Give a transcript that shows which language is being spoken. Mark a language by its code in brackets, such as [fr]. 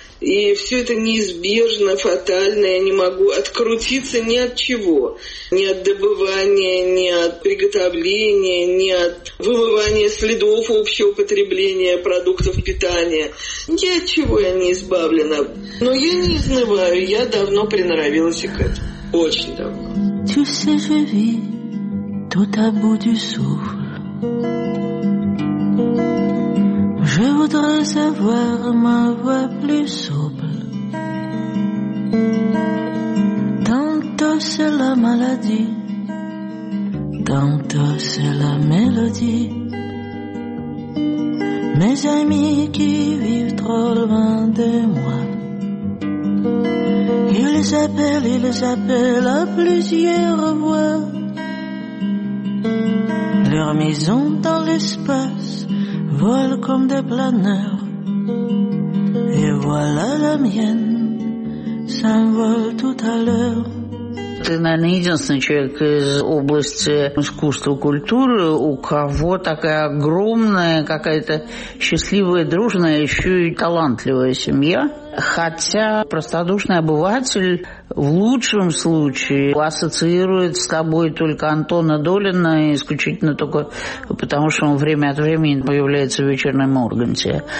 [ru] И все это неизбежно, фатально, я не могу открутиться ни от чего. Ни от добывания, ни от приготовления, ни от вымывания следов общего потребления продуктов питания. Ни от чего я не избавлена. Но я не изнываю, я давно приноровилась к этому. Очень давно. [fr] Tu sais, je vis, tout à bout du souffle. Je voudrais avoir ma voix plus souple. Tantôt c'est la maladie, tantôt c'est la mélodie. Mes amis qui vivent trop loin de moi, ils appellent à plusieurs voix. Leur maison dans l'espace vole comme des planeurs, et voilà la mienne s'envole tout à l'heure. [ru] Ты, наверное, единственный человек из области искусства и культуры, у кого такая огромная, какая-то счастливая, дружная, еще и талантливая семья. Хотя простодушный обыватель в лучшем случае ассоциирует с тобой только Антона Долина, исключительно только потому, что он время от времени появляется в «Вечернем Урганте».